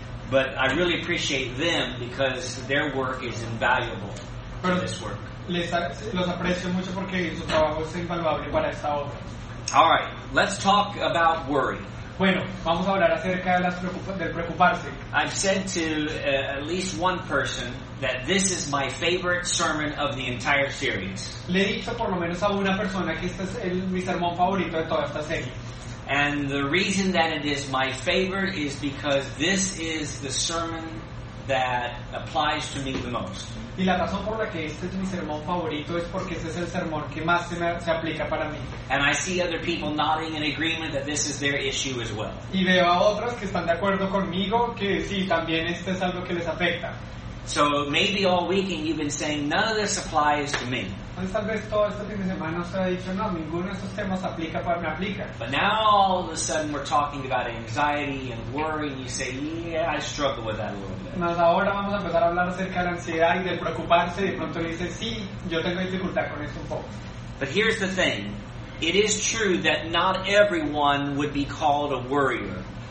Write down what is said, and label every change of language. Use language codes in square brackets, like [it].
[en] But I really appreciate them because their work is invaluable for this work. [es] Los aprecio mucho porque su trabajo es invaluable para esta obra. [en] All right, let's talk about worry. [es] Bueno, vamos a hablar acerca de del preocuparse. [en] I've said to at least one person that this is my favorite sermon of the entire series. [es] Le he dicho por lo menos a una persona que este es mi sermón favorito de toda esta serie. [en] And the reason that it is my favorite is because this is the sermon that applies to me the most. [es] Y la razón por la que este es mi sermón favorito es porque este es el sermón que más se aplica para mí. [en] And I see other people nodding in agreement that this is their issue as well. [es] Y veo a otros que están de acuerdo conmigo que sí, también este es algo que les afecta. [en] So maybe all weekend you've been saying none of this applies to me. [es] Entonces tal vez todo este fin de semana usted ha dicho, no, ninguno de estos temas aplica para mí, aplica. [en] But now all of a sudden we're talking about anxiety and worry and you say, yeah, I struggle with that a little bit. [es] Mas ahora vamos a empezar a hablar acerca de la ansiedad y de preocuparse y de pronto le dice, sí, yo tengo dificultad con esto un poco. [en] But here's the thing. It is true that not everyone would be called a worrier.